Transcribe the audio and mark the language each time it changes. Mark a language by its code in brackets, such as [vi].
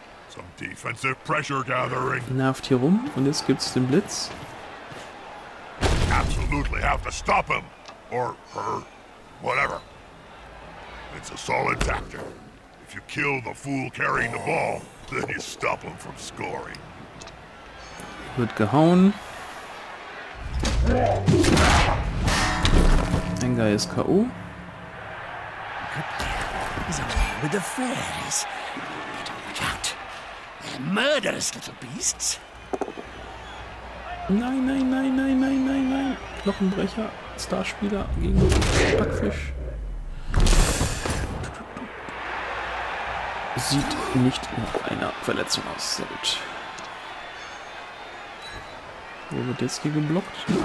[en] Some defensive pressure gathering. [de] Nervt hier rum und jetzt gibt's den Blitz. [en] Absolutely have to stop him or her, whatever. It's a solid tactic. If you kill the fool carrying the ball, then you stop him from scoring. [de] Wird gehauen. Ein Guy ist K.O. [en] He's away with the fairies. Better watch out. They're murderous little beasts. [de] Nein, nein, nein, nein, nein, nein, nein. Knochenbrecher, Starspieler gegen Backfisch. Sieht nicht nach einer Verletzung aus. Sehr gut. Wo wird jetzt hier geblockt?